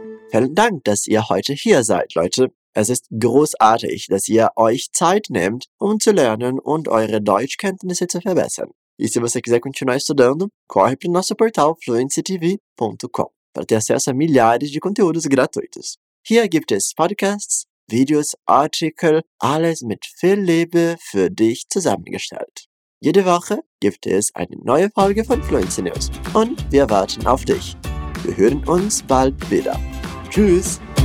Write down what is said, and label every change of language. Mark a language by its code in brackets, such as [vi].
[de] Vielen Dank, dass ihr heute hier seid, Leute. Es ist großartig, dass ihr euch Zeit nehmt, um zu lernen und eure Deutschkenntnisse zu verbessern. [pt] E se você quiser continuar estudando, corre para o nosso portal fluencytv.com para ter acesso a milhares de conteúdos gratuitos. [de] Hier gibt es Podcasts, Videos, Artikel, alles mit viel Liebe für dich zusammengestellt. Jede Woche gibt es eine neue Folge von Fluency News und wir warten auf dich. Wir hören uns bald wieder. Tschüss!